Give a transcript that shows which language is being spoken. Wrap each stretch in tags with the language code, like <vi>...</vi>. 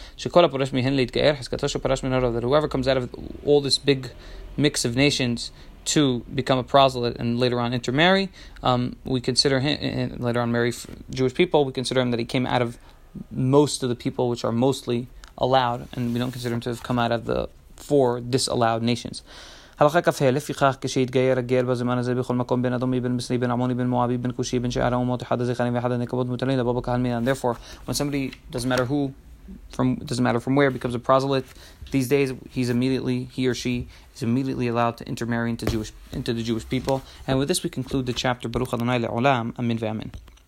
<en>That whoever comes out of all this big mix of nations to become a proselyte and later on intermarry, we consider him, and later on marry Jewish people, we consider him that he came out of most of the people which are mostly allowed, and we don't consider him to have come out of the four disallowed nations.</en> <he>הלכה כפה, לפיכך, כשהתגייר הגר בזמן הזה בכל מקום, בן אדומי, בן מסני, בן עמוני, בן מואבי, בן קושי, בן שאר האומות, אחד הזכרים ואחד הנקבות מוטלים לבוא בקהל מינן.</he> <en>Therefore, when somebody, doesn't matter who, doesn't matter from where, becomes a proselyte, these days, he or she is immediately allowed to intermarry into the Jewish people. And with this, we conclude the chapter,</en> <he>Baruch Adonai le'olam, Amin ve'amin.</he>